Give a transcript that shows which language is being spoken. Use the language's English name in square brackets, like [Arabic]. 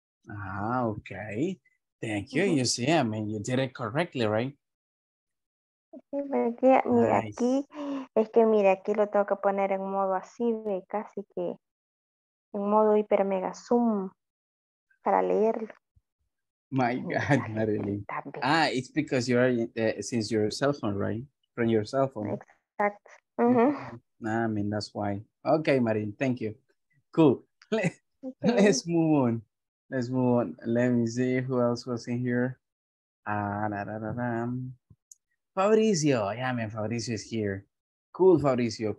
[English] Ah, okay. Thank you. Uh-huh. You see, I mean, you did it correctly, right? [Spanish] Mira aquí, es que mira aquí lo tengo que poner en modo así, casi que en modo hiper mega zoom para leerlo. [English] My God, Marily. Ah, it's because you are since your cell phone, right? From your cell phone. [Spanish] Exacto. [English] Uh-huh. I mean, that's why. Okay, Marily, thank you. Cool. Let's move on. Let's move on. Let me see who else was in here. Fabricio, yeah, man, Fabricio is here. Cool, Fabricio.